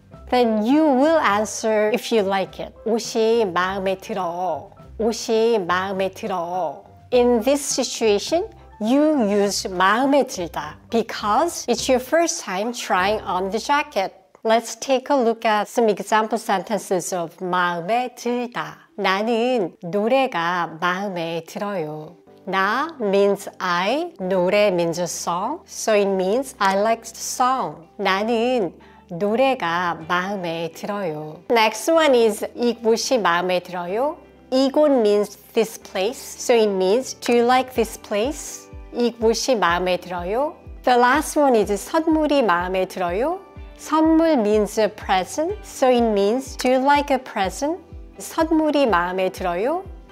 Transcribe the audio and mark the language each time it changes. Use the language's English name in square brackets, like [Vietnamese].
[English] Then you will answer if you like it. [Korean] 옷이 마음에 들어. 옷이 마음에 들어. [English] In this situation, you use 마음에 들다 because it's your first time trying on the jacket. Let's take a look at some example sentences of 마음에 들다. [Korean] 나는 노래가 마음에 들어요. [English] 나 means I, 노래 means a song. So it means I like the song. [Korean] 나는 노래가 마음에 들어요. [English] Next one is [Korean] 이곳이 마음에 들어요. [English] 이곳 means this place. So it means do you like this place? [Korean] 이곳이 마음에 들어요. [English] The last one is [Korean] 선물이 마음에 들어요. [English] 선물 means a present, so it means, do you like a present? [Korean] 선물이 마음에 들어요?